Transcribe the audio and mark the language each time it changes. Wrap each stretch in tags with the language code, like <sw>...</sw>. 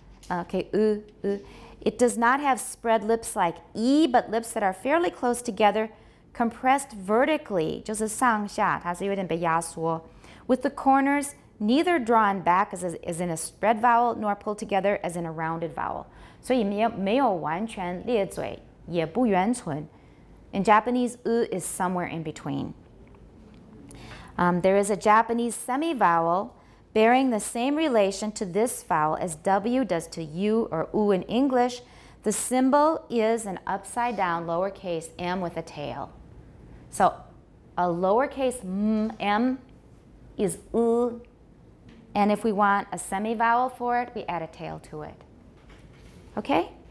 <en>Okay, u, u. It does not have spread lips like e, but lips that are fairly close together, compressed vertically,</en> <zh>就是上下, 它是有点被压缩,</zh> <en>with the corners neither drawn back as in a spread vowel, nor pulled together as in a rounded vowel.</en> <zh>所以没有完全裂嘴, 也不圆唇.</zh> <en>In Japanese, u is somewhere in between. There is a Japanese semi-vowel bearing the same relation to this vowel as w does to u or u in English. The symbol is an upside-down lowercase m with a tail. So a lowercase m is u, and if we want a semi-vowel for it, we add a tail to it. Okay?</en>